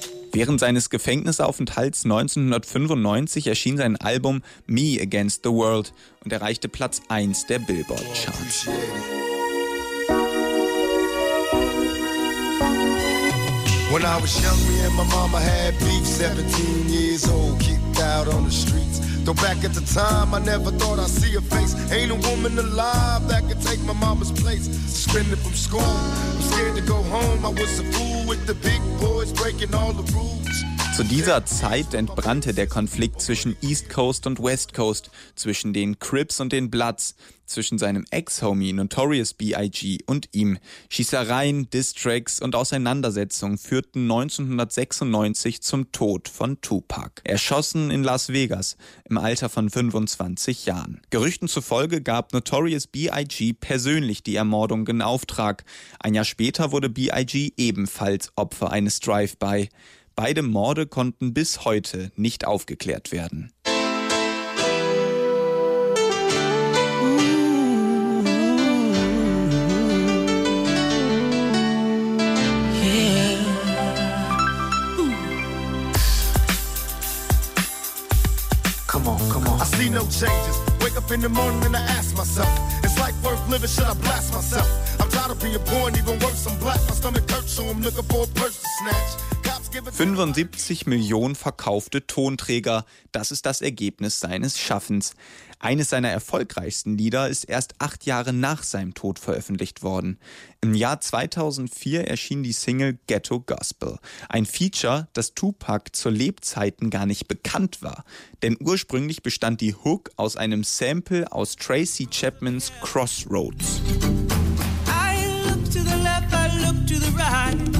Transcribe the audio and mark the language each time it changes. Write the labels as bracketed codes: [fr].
[de] Während seines Gefängnisaufenthalts 1995 erschien sein Album Me Against the World und erreichte Platz 1 der Billboard-Charts. [en] When I was young, me and my mama had beef, 17 years old, kicked out on the streets. Though back at the time, I never thought I'd see a face. Ain't a woman alive that could take my mama's place. Suspended from school, I'm scared to go home. I was a fool with the big boys breaking all the rules. [de] Zu dieser Zeit entbrannte der Konflikt zwischen East Coast und West Coast, zwischen den Crips und den Bloods, zwischen seinem Ex-Homie Notorious B.I.G. und ihm. Schießereien, Diss-Tracks und Auseinandersetzungen führten 1996 zum Tod von Tupac. Erschossen in Las Vegas, im Alter von 25 Jahren. Gerüchten zufolge gab Notorious B.I.G. persönlich die Ermordung in Auftrag. Ein Jahr später wurde B.I.G. ebenfalls Opfer eines Drive-By. Beide Morde konnten bis heute nicht aufgeklärt werden. [en] Come on, come on. I see no changes. Wake up in the morning and I ask myself, is life worth living? Should I blast myself? I'm tired of being poor and even worse, I'm black. My stomach hurts, so I'm looking for a purse to snatch. [de] 75 Millionen verkaufte Tonträger, das ist das Ergebnis seines Schaffens. Eines seiner erfolgreichsten Lieder ist erst 8 Jahre nach seinem Tod veröffentlicht worden. Im Jahr 2004 erschien die Single Ghetto Gospel. Ein Feature, das Tupac zu Lebzeiten gar nicht bekannt war. Denn ursprünglich bestand die Hook aus einem Sample aus Tracy Chapmans Crossroads. [en] I look to the left, I look to the right.